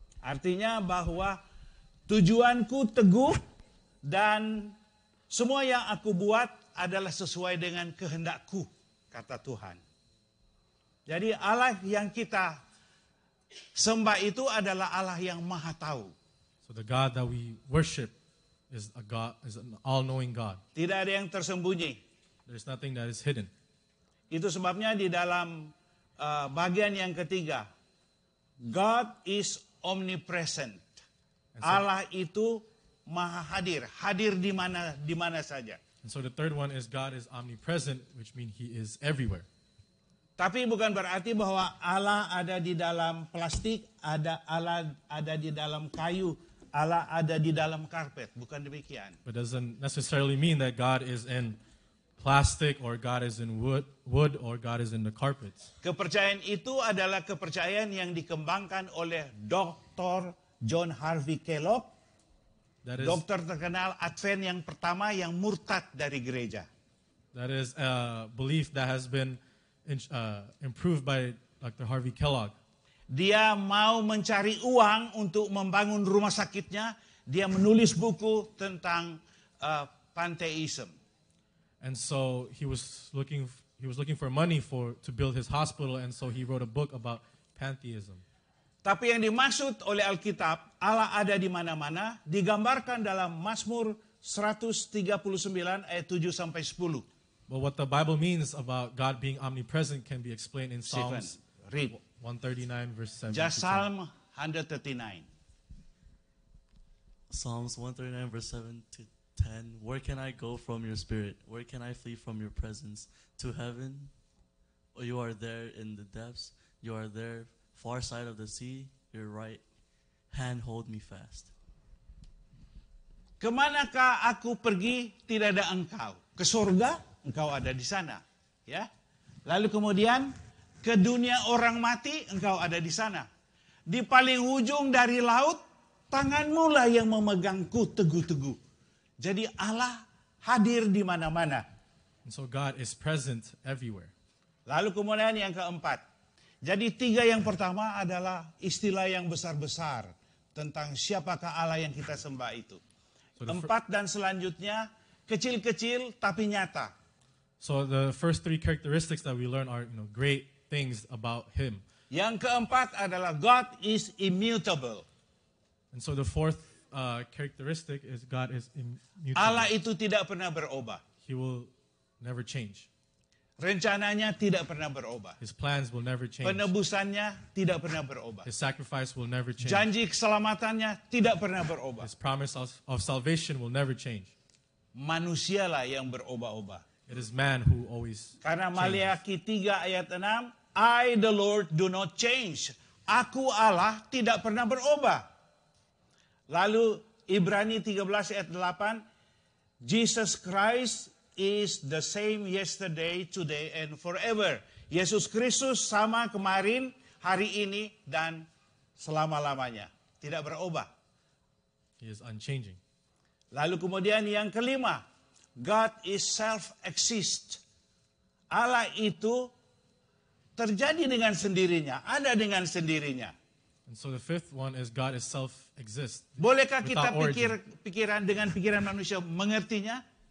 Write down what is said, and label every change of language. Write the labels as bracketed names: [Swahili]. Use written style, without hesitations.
[Indonesian] Artinya bahwa tujuanku teguh dan semua yang aku buat adalah sesuai dengan kehendakku, kata Tuhan. Jadi Allah yang kita sembah itu adalah Allah yang maha tahu. [English] So the God that we worship is a God, is an all-knowing God. [Indonesian] Tidak ada yang tersembunyi. [English] There is nothing that is hidden. [Indonesian] Itu sebabnya di dalam bagian yang ketiga, [English] God is omnipresent. [Indonesian] So, Allah itu maha hadir, hadir di mana saja. [English] And so the third one is God is omnipresent, which means He is everywhere. [Indonesian] Tapi bukan berarti bahwa Allah ada di dalam plastik, ada Allah ada di dalam kayu, Allah ada di dalam karpet, bukan demikian. [English] But doesn't necessarily mean that God is in plastic or God is in wood or God is in the carpets. [Indonesian] Kepercayaan itu adalah kepercayaan yang dikembangkan oleh Dr. John Harvey Kellogg. [English] That is [Indonesian] dokter terkenal Advent yang pertama yang murtad dari gereja. [English] That is a belief that has been improved by Dr. Harvey Kellogg. [Indonesian] Dia mau mencari uang untuk membangun rumah sakitnya. Dia menulis buku tentang pantheism. [English] And so he was looking for money to build his hospital, and so he wrote a book about pantheism. [Indonesian] Tapi yang dimaksud oleh Alkitab, Allah ada di mana-mana, digambarkan dalam Mazmur 139 ayat 7 sampai 10. [English] But what the Bible means about God being omnipresent can be explained in Psalms 139 verse 7. Just Psalm 139. Psalms 139 verse 7 to 10. Where can I go from your spirit? Where can I flee from your presence? To heaven? You are there in the depths. You are there far side of the sea. Your right hand hold me fast. [Indonesian] Kemanakah aku pergi tidak ada engkau? Ke surga? Engkau ada di sana, ya. Lalu kemudian ke dunia orang mati, engkau ada di sana. Di paling ujung dari laut, tanganmu lah yang memegangku teguh-teguh. Jadi Allah hadir di mana-mana. [English] And so God is present everywhere. [Indonesian] Lalu kemudian yang keempat. Jadi tiga yang pertama adalah istilah yang besar-besar tentang siapakah Allah yang kita sembah itu. Empat dan selanjutnya kecil-kecil tapi nyata. [English] So the first three characteristics that we learn are, you know, great things about Him. [Indonesian] Yang keempat adalah [English] God is immutable. And so the fourth characteristic is God is immutable. [Indonesian] Allah itu tidak pernah berubah. [English] He will never change. [Indonesian] Rencananya tidak pernah berubah. [English] His plans will never change. [Indonesian] Penebusannya tidak pernah berubah. [English] His sacrifice will never change. [Indonesian] Janji keselamatannya tidak pernah berubah. [English] His promise of salvation will never change. [Indonesian] Manusialah yang berubah-ubah. [English] It is man who always changes. [Indonesian] Karena Maleakhi 3 ayat 6, [English] I the Lord do not change. [Indonesian] Aku Allah tidak pernah berubah. Lalu Ibrani 13 ayat 8, [English] Jesus Christ is the same yesterday, today and forever. [Indonesian] Yesus Kristus sama kemarin, hari ini dan selama-lamanya. Tidak berubah. [English] He is unchanging. [Indonesian] Lalu kemudian yang kelima, [English] God is self-exist. [Indonesian] Allah itu terjadi dengan sendirinya, ada dengan sendirinya. [English] And so the fifth one is God is self-exist. [Indonesian] Bolehkah kita pikiran dengan pikiran manusia mengertinya?